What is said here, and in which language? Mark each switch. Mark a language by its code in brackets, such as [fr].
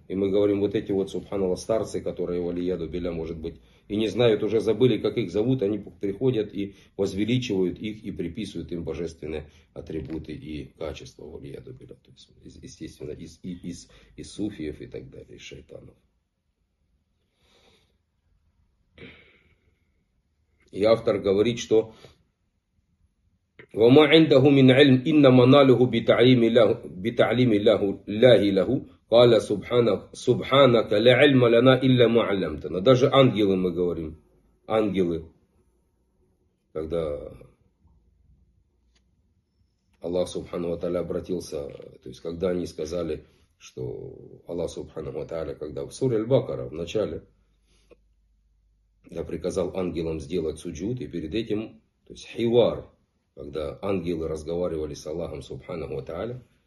[ru] И мы говорим, вот эти вот, субханаллах, старцы, которые в Алияду Билля, может быть, и не знают, уже забыли, как их зовут, они приходят и возвеличивают их и приписывают им божественные атрибуты и качества в Алияду Билля. То есть, естественно, из суфиев и так далее, из шайтанов. И автор говорит, что [ar] وما عنده من علم إنما ناله بتعليم الله الله له قال سبحانك لا علم لنا إلا ما علمتنا. [ru] Даже ангелы, мы говорим, ангелы, когда Аллах Субхану ва Тааля обратился, то есть когда они сказали, что Аллах Субхану ва Тааля, когда в суре Аль-Бакара в начале, я приказал ангелам сделать суджуд, и перед этим, то есть хивар, когда ангелы разговаривали с Аллахом Субханаху ва Тааля,